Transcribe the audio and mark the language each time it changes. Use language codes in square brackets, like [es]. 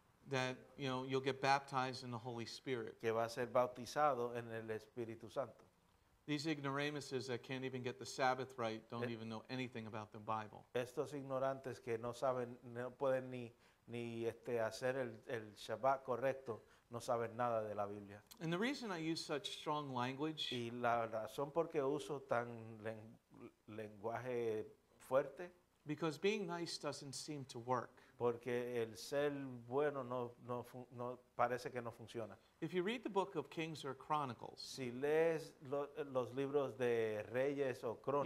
[en] that you know you'll get baptized in the Holy Spirit, [es] que va a ser bautizado en el Espíritu Santo. [en] These ignoramuses that can't even get the Sabbath right don't even know anything about the Bible. [es] Estos ignorantes que no saben, no pueden ni hacer el Shabbat correcto, no saben nada de la Biblia. [en] And the reason I use such strong language, [es] y la razón por qué uso tan lenguaje fuerte, [en] because being nice doesn't seem to work. [es] Porque el ser bueno no parece que no funciona. [en] If you read the book of Kings or Chronicles, [es] si lees los libros de Reyes o Crónicas,